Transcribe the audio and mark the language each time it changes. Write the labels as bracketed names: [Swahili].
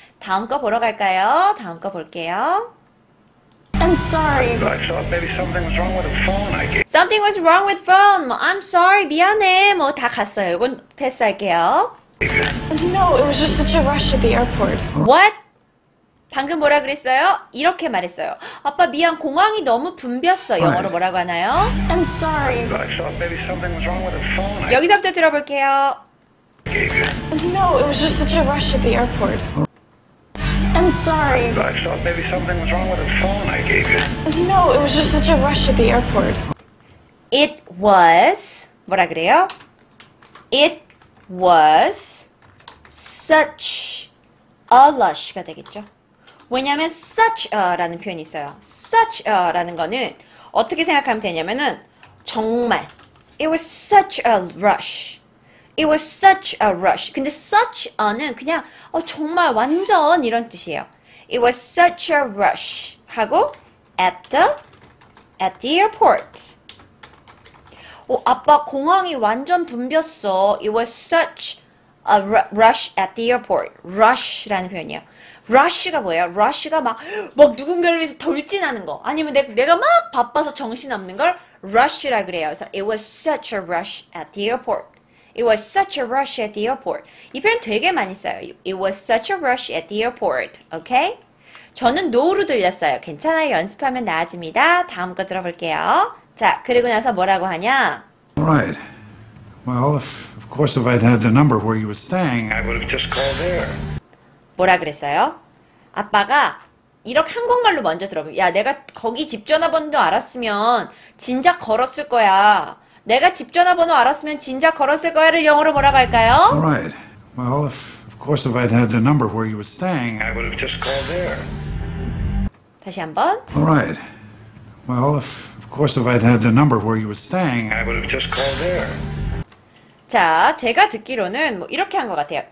[Korean] 다음 거 보러 갈까요? 다음 거 볼게요. [English] I'm sorry. I thought maybe something was wrong with the phone I gave. Something was wrong with phone. I'm sorry. [Korean] 미안해. 뭐 다 갔어요. 이건 패스할게요. [English] No, it was just such a rush at the airport. [Korean] What? 방금 뭐라 그랬어요? 이렇게 말했어요. 아빠 미안, 공항이 너무 붐볐어. 영어로 뭐라고 하나요? [English] I'm sorry. I thought maybe something was wrong with the phone. [Korean] 여기서부터 들어볼게요. [English] No, it was just such a rush at the airport. I'm sorry. I thought maybe something was wrong with the phone I gave you. No, it was just such a rush at the airport. It was [Korean] 뭐라 그래요? [English] It was such a rush가 되겠죠. [Korean] 왜냐면 such a라는 표현이 있어요. such a라는 거는 어떻게 생각하면 되냐면은 정말 it was such a rush. [English] It was such a rush. [Korean] 근데 such a는 그냥 정말 완전 이런 뜻이에요. [English] It was such a rush 하고 at the airport. [Korean] 아빠 공항이 완전 붐볐어. [English] It was such a rush at the airport. [Korean] rush라는 표현이에요. rush가 뭐예요? rush가 막 누군가를 위해서 돌진하는 거. 아니면 내가 막 바빠서 정신없는 걸 rush라 그래요. [English] 그래서 it was such a rush at the airport. It was such a rush at the airport. [Korean] 이 표현 되게 많이 써요. [English] It was such a rush at the airport. [Korean] Okay? 저는 no로 들렸어요. 괜찮아요. 연습하면 나아집니다. 다음 거 들어볼게요. 자, 그리고 나서 뭐라고 하냐? [English] All right. Well, of course if I'd had the number where you were staying, I would have just called there. [Korean] 뭐라 그랬어요? 아빠가 이렇게 한국말로 먼저 들어봐. 야, 내가 거기 집 전화번호 알았으면 진작 걸었을 거야. 내가 집 전화번호 알았으면 진작 걸었을 거야를 영어로 뭐라고 할까요? [English] All right. Well, of course if I'd had the number where you were staying, I would have just called there. [Korean] 다시 한번. [English] All right. Well, of course if I'd had the number where you were staying, I would have just called there. [Korean] 자, 제가 듣기로는 뭐 이렇게 한 것 같아요.